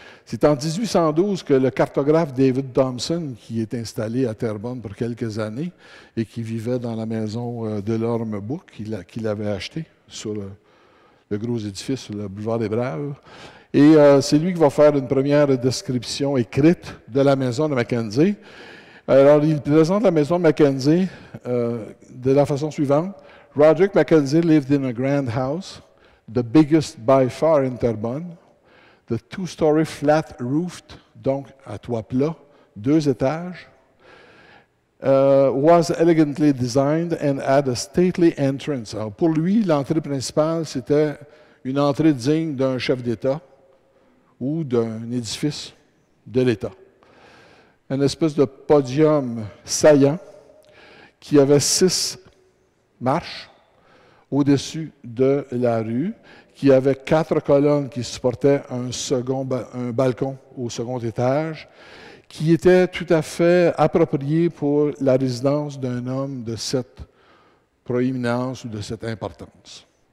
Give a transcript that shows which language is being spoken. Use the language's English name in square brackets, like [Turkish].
[French] C'est en 1812 que le cartographe David Thompson, qui est installé à Terrebonne pour quelques années et qui vivait dans la maison de l'Orme Book, qu'il avait acheté sur le gros édifice sur le boulevard des Braves. Et c'est lui qui va faire une première description écrite de la maison de Mackenzie. Alors, il présente la maison de Mackenzie de la façon suivante. [English] Roderick Mackenzie lived in a grand house, the biggest by far in Terrebonne, the two-story flat roofed, [French] donc à toit plat, deux étages, [English] was elegantly designed and had a stately entrance. [French] Alors pour lui, l'entrée principale, c'était une entrée digne d'un chef d'État ou d'un édifice de l'État. Une espèce de podium saillant qui avait six marches au-dessus de la rue, qui avait quatre colonnes qui supportaient un balcon au second étage, qui était tout à fait approprié pour la résidence d'un homme de cette proéminence ou de cette importance.